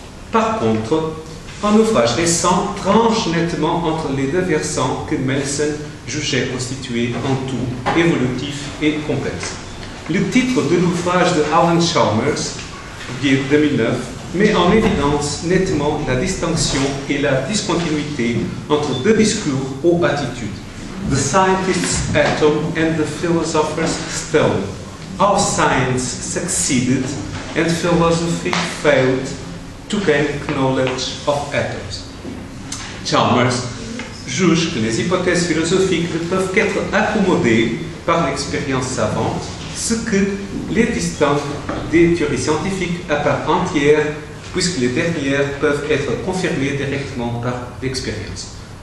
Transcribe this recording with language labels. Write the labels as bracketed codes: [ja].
[fr] Par contre, un ouvrage récent tranche nettement entre les deux versants que Mensen jugeait constituer un tout évolutif et complexe. Le titre de l'ouvrage de Alan Chalmers, publié en 2009, met en évidence nettement la distinction et la discontinuité entre deux discours ou attitudes. [en] The scientist's atom and the philosopher's stone. How science succeeded and philosophy failed to gain knowledge of atoms. [fr] Chalmers juge que les hypothèses philosophiques ne peuvent qu'être accommodées par l'expérience savante, ce que les distingue des théories scientifiques à part entière, puisque les dernières peuvent être confirmées directement par l'expérience.